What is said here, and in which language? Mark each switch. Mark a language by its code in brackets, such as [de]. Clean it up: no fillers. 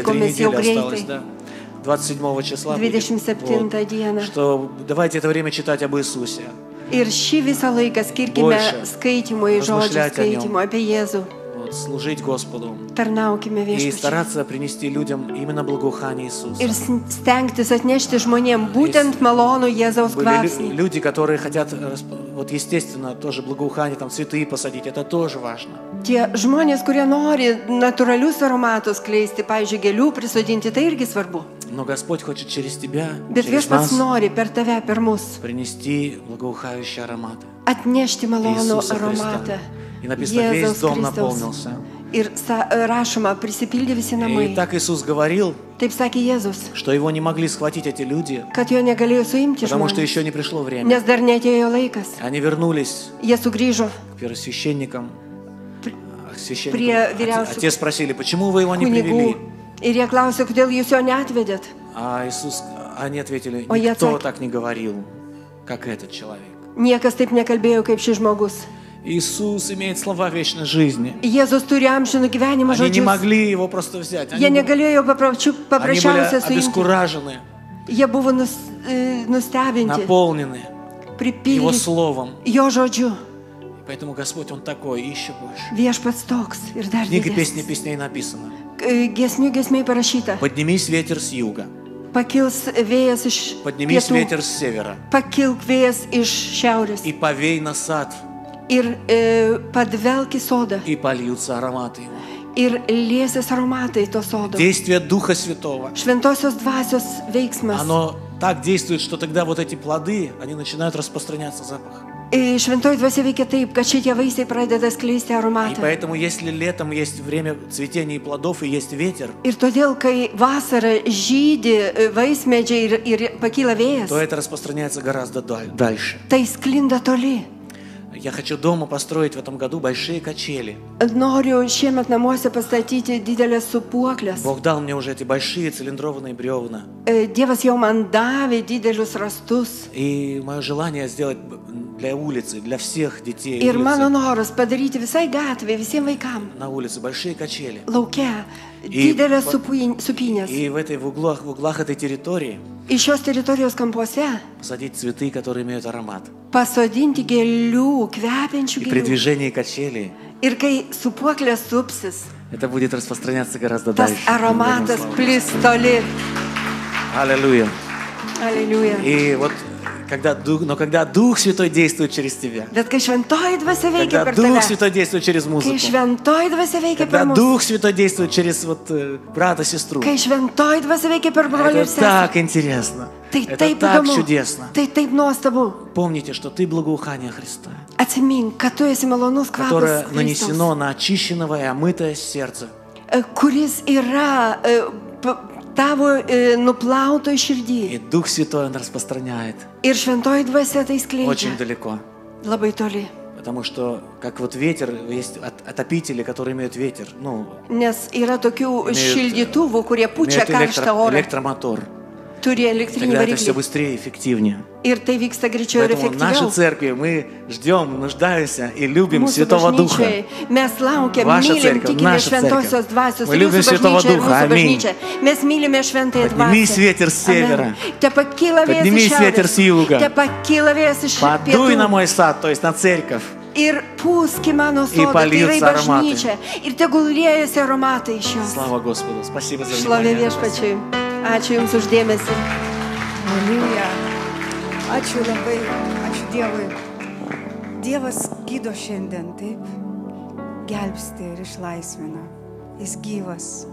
[ru] три недели осталось, да. 27 числа 27-я будет. Вот, что давайте это время читать об Иисусе. [lt] Ир ши виса лейка, скиркиме скейтиму и жоджу скейтиму, обе Езу. [ru] Служить Господу [lt] Тарнаукиме, [ru] и стараться принести людям именно благоухание Иисуса. [lt] Ir stengtis atnešti žmonėm būtent malonų Jėzaus kvapsnį. [ru] Люди, которые хотят вот естественно, тоже благоухание, там цветы посадить, это тоже важно. [lt] Те жмонės, kurie nori natūralius aromatus kleisti, pavyzdžiui, gėlių prisodinti, tai irgi svarbu. [ru] Но Господь хочет через тебя, [lt] Bet [ru] через [lt] Viešpats nori per tave, per mus. [ru] Принести благоухающий аромат. [lt] Отнести малону аромата. [ru] И написано, весь Христос. Дом наполнился. [lt] Ir rašoma, prisipildė visi namai. [ru] И так Иисус говорил, [lt] Taip sakė Jėzus, [ru] что его не могли схватить эти люди, [lt] kad jo negalėjo suimti [ru] потому что еще не пришло время. [lt] Nes dar neatėjo laikas. [ru] Они вернулись [lt] Jie sugrįžo. [ru] К первосвященникам. [lt] Prie vyriausių... [ru] Отец спросили, почему вы его не [lt] kunigų. [ru] Привели? [lt] Ir jie klausė, kodėl jūs jo neatvedėt? [ru] А Иисус, они ответили, никто [lt] Jie atsak... [ru] так не говорил, как этот человек. [lt] Niekas taip nekalbėjo, kaip šis žmogus. [ru] Иисус имеет слова вечной жизни. [lt] Jėzus turi amžiną gyvenimą žodžius. [ru] Они не могли его просто взять. [lt] Jie negalėjo paprasčiausia suimti. [ru] Они были обескуражены. [lt] Jie buvo nustebinti. [ru] Наполнены. [lt] Припили. [ru] Его словом. [lt] Jo žodžiu. [ru] Поэтому Господь, Он такой, еще больше. [lt] Viešpats toks ir dar didesnis. [ru] Книга песни песней написана. [lt] Giesmių giesmėj parašyta. [ru] Поднимись ветер с юга. [lt] Pakils vėjas iš pietų. [ru] Поднимись ветер с севера. [lt] Pakilk vėjas iš šiaurės. [ru] И повей на сад. [lt] Ir padvelki sodą. [ru] И польются ароматы его. [lt] Ir liesis aromatai to sodo. [ru] Действие Духа Святого. [lt] Šventosios dvasios veiksmas. [ru] Оно так действует, что тогда вот эти плоды, они начинают распространяться запах. [lt] И Шventoji dvasia veikia taip, kad šitie vaisiai pradeda skleisti aromatą. [ru] И поэтому, если летом есть время цветения и плодов, и есть ветер, [lt] ir todėl, kai vasara žydi vaismedžiai ir pakyla vėjas, [ru] то это распространяется гораздо дальше. [lt] Tai sklinda toli. [ru] Я хочу дома построить в этом году большие качели. [lt] Noriu šiemet namuose pastatyti didelės supuoklės. [ru] Бог дал мне уже эти большие цилиндрованные бревна. [lt] Dievas jau man davė didelius rastus. [ru] И мое желание сделать для улицы, для всех детей. [lt] Ir mano noras padaryti visai gatvei, visiem vaikam. [ru] На улице большие качели. [lt] Lauke didelės supynės. [ru] И в этой в углах этой территории. [lt] И šios teritorijos kampuose. [ru] Посадить цветы, которые имеют аромат. [lt] Pasodinti gėlių, kvepiančių gėlių. [ru] И при движении качелей. [lt] Ir kai supuoklės supsis. [ru] Это будет распространяться гораздо дальше. [lt] Tas aromatas plis toli. [ru] Аллилуйя. Аллилуйя. И вот когда Дух Святой действует через тебя. [lt] Bet kai Šventoji dvasia veikia per tave. [ru] Когда Дух Святой действует через музыку. [lt] Kai Šventoji dvasia veikia per mus. [ru] Когда Дух Святой действует через вот брата, сестру. [lt] Kai Šventoji dvasia veikia per brolį ir sesę. [ru] Так интересно. [lt] Tai [ru] Это [lt] taip [ru] так [lt] įdomu. [ru] Чудесно. [lt] Tai taip nuostabu. [ru] Помните, что ты благоухание Христа. [lt] Atsimink, kad tu esi malonus kvapas [ru] Которое нанесено на очищенное и омытое сердце. [lt] Kuris yra tavo nuplautoj širdy. [ru] И Дух Святой он распространяет. [lt] Ir Šventoji dvasia tai skleidžia. [ru] Очень далеко. [lt] Labai toli. [ru] Потому что как вот ветер есть отопители, которые имеют ветер, ну. [lt] Nes yra tokių šildytuvų, kurie pučia karštą orą. [ru] Электромотор. [lt] Turi elektrinį variklį. [ru] Это все быстрее, эффективнее. [lt] Ir tai vyksta greičiau ir efektyviau. [ru] Поэтому в нашей церкви мы ждем, нуждаемся и любим Святого Духа. [lt] Mes laukiam, mylim, tikime Šventosios dvasios. [ru] Мы любим Святого Духа. Аминь. [lt] Mes mylime Šventąją dvasią. [ru] Поднимись ветер с севера. Поднимись ветер с юга. Подуй на мой сад, то есть на церковь. [lt] Ir пуски mano sodą, tai yra bažnyčia. Ir tegul liejasi aromatai iš jos. [ru] Слава Господу. Спасибо за Шлове внимание. [lt] Шлове Viešpačiui. Ačiū Jums už dėmesį. Aleluja. Ačiū labai. Ačiū Dievui. Dievas gydo šiandien, taip? Gelbsti ir išlaisvina. Jis gyvas.